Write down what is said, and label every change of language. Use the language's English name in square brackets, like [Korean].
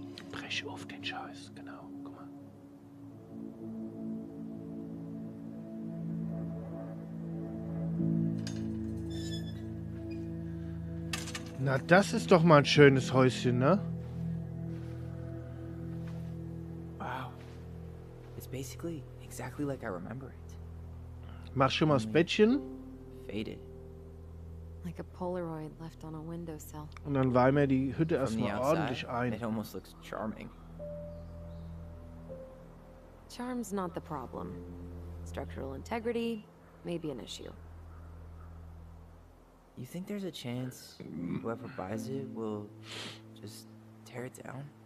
[German] Brech auf den Scheiß, genau. Na, das ist doch mal ein schönes Häuschen, ne? Wow. [English] It's basically exactly like I remember it. [German] Mach schon mal das Bettchen. [English] Faded. Like a Polaroid left on a windowsill. [German] Und dann weih mir die Hütte erstmal ordentlich ein. [English] It almost looks charming. Charm's not the problem. Structural integrity may be an issue. You think there's a chance whoever buys it will just tear it down?